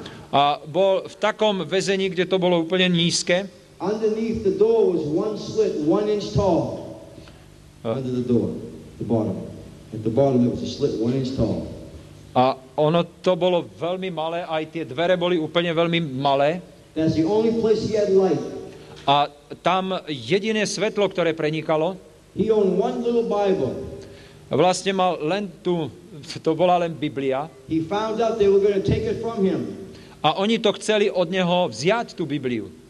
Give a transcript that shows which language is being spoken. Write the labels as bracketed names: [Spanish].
[Slovak] A bol v takom väzení, kde to bolo úplne nízke. [English] Underneath the door was one slit, one inch tall. Under the door, the bottom. At the bottom there was a slit 1 inch tall. [Slovak] A ono to bolo veľmi malé, aj tie dvere boli úplne veľmi malé. [English] That's the only place he had light. [Slovak] A tam jediné svetlo, ktoré prenikalo. [English] He owned one little Bible. [Slovak] Vlastne mal len tú, to bola len Biblia. [English] He found out they were going to take it from him. [Slovak] A oni to chceli od neho vziať, tú Bibliu.